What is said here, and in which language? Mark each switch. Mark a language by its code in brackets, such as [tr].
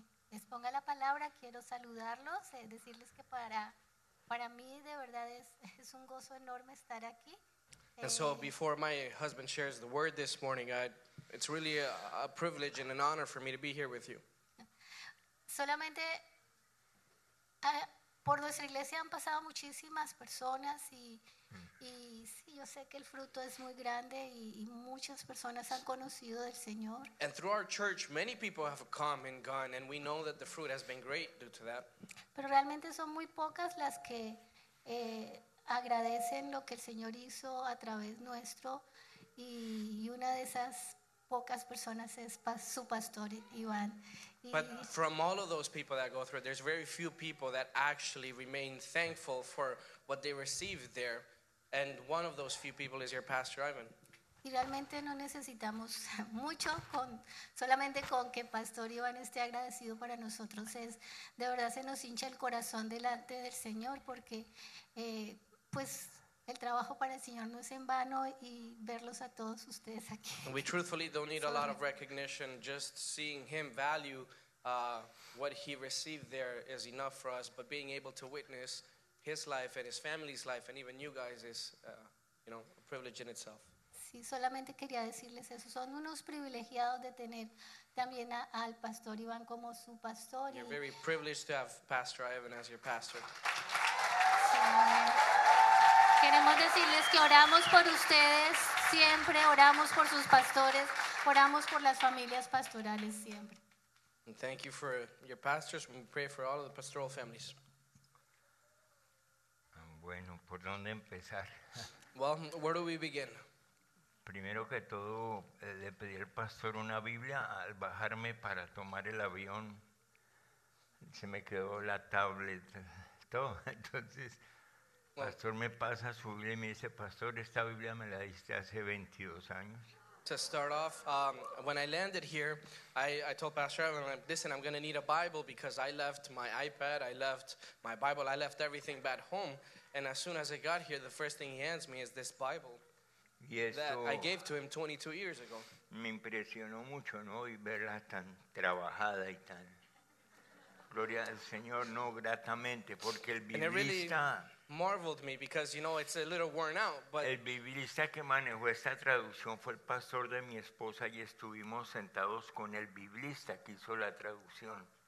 [es] Exponga la palabra, quiero saludarlos, decirles que para mí de verdad es un gozo enorme estar aquí. [en] And so before my husband shares the word this morning, it's really a privilege and an honor for me to be here with you. [es] Solamente por nuestra iglesia han pasado muchísimas personas y sí, yo sé que el fruto es muy grande y muchas personas han conocido del Señor. [en] And through our church, many people have come and gone, and we know that the fruit has been great due to that. [es] Pero realmente son muy pocas las que agradecen lo que el Señor hizo a través nuestro, y una de esas pocas personas es su pastor Iván. But from all of those people that go through, there's very few people that actually remain thankful for what they received there. [en] And one of those few people is your pastor, Ivan. [es] Y realmente no necesitamos mucho, solamente con que Pastor Iván esté agradecido para nosotros es, de verdad se nos hincha el corazón delante del Señor, porque pues el trabajo para el Señor no es en vano, y verlos a todos ustedes aquí. [en] We truthfully don't need a lot of recognition, just seeing him value what he received there is enough for us, but being able to witness his life and his family's life and even you guys is a privilege in itself. [es] Sí, solamente quería decirles eso. Son unos privilegiados de tener también al Pastor Iván como su pastor. [en] You're very privileged to have Pastor Ivan as your pastor. [es] Sí. Queremos decirles que oramos por ustedes siempre, oramos por sus pastores, oramos por las familias pastorales siempre. [en] And thank you for your pastors. We pray for all of the pastoral families. [es] Bueno, ¿por dónde empezar? [en] Well, where do we begin? [es] Primero que todo, le pedí al pastor una Biblia al bajarme para tomar el avión. Se me quedó la tablet, todo. Entonces, pastor me pasa su Biblia y me dice, pastor, esta Biblia me la diste hace 22 años. [en] To start off, when I landed here, I told Pastor Evan, listen, I'm going to need a Bible because I left my iPad, I left my Bible, I left everything back home. And as soon as I got here, the first thing he hands me is this Bible that I gave to him 22 years ago. [es] Me impresionó mucho, ¿no? Y verla tan trabajada y tan... Gloria al Señor, no gratamente, porque el biblista... [en] And it really marveled me because, you know, it's a little worn out, but... [es] El biblista que manejó esta traducción fue el pastor de mi esposa, y estuvimos sentados con el biblista que hizo la traducción.